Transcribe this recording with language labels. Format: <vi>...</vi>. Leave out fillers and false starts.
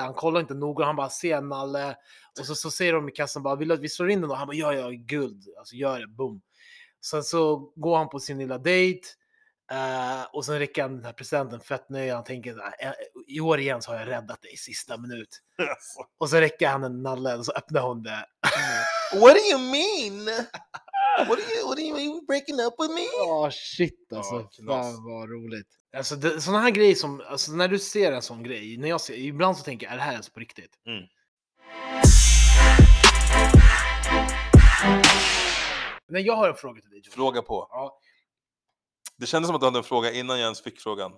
<sv>Han kollar inte noga, han bara ser en nalle. Och så ser de i kassan bara, vill du att vi slår in den? Och han bara, ja, guld. Alltså, gör det, boom. Sen så går han på sin lilla date. Och sen räcker han den här presenten fett nöjd. Han tänker, i år igen så har jag räddat dig i sista minut.</sv> <en>Yes.</en> <sv>Och så räcker han en nalle och så öppnar hon det.</sv> <en>What do you mean? What do you mean you're breaking up with me?</en> <sv>Åh, shit alltså. Fan vad roligt. Alltså det, såna här grejer som, alltså, när du ser en sån grej, när jag ser, ibland så tänker jag, är det här ens på riktigt? Mm. Nej, jag har en fråga till dig. Fråga på. Ja. Det kändes som att du hade en fråga innan jag ens fick frågan.</sv>